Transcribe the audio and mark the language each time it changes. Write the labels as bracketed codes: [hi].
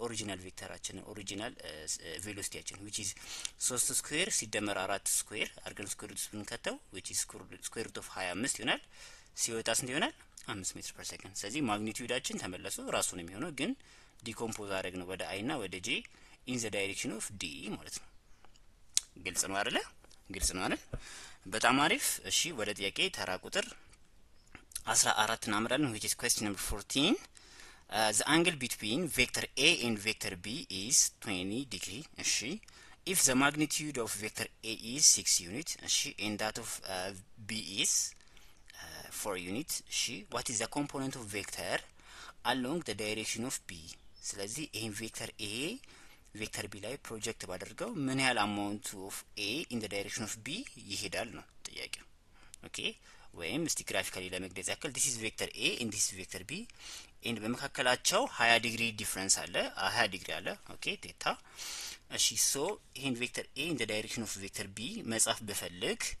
[am] ኦሪጂናል ቬክተራችን ኦሪጂናል ቬሎሲቲያችን [en] which is [am] 3 ስኩዌር ሲደመር 4 ስኩዌር አርገን ስኩዌር ሩት ብንከተው which is ስኩዌር ሩት ኦፍ 25 ይሆናል። ሲወጣ ስንት ይሆናል? 5 ሜትር ፐር ሰከንድ። ስለዚህ ማግኒቲዩዳችን ተመለሱ ራሱ ነው የሚሆነው፣ ግን ዲኮምፖዝ አድርግ ነው ወደ አይ እና ወደ ጂ ኢን ዘ ዳይሬክሽን ኦፍ ዲ ማለት ነው። ግልጽ ነው አይደለ? ግልጽ ነው አይደል? በጣም አሪፍ። እሺ ወደ ጥያቄ ተራ ቁጥር 14 እናመራለን [en] which is question number 14 the angle between vector A and vector B is 20 degree. እሺ if the magnitude of vector A is 6 unit, እሺ and that of B is 4 unit, እሺ what is the component of vector along the direction of B? [am] ስለዚህ ይሄን ቬክተር ኤ ቬክተር ቢ ላይ ፕሮጀክት ባደርገው ምን ያህል አማውንት ኦፍ ኤ ኢን ዘ ዳይሬክሽን ኦፍ ቢ ይሄዳል ነው ጥያቄው። ኦኬ ወይም እስቲ ግራፊካሊ ለመግለጽ ያክል [en] ዲስ ኢዝ ቬክተር ኤ ኢንድ ዲስ ኢዝ ቬክተር ቢ [am] ኤንድ በመካከላቸው 20 ዲግሪ ዲፍረንስ አለ፣ 20 ዲግሪ አለ። ኦኬ ቴታ። እሺ ሶ ይሄን ቬክተር ኤ ኢን ዘ ዳይሬክሽን ኦፍ ቬክተር ቢ መጻፍ ብፈልግ፣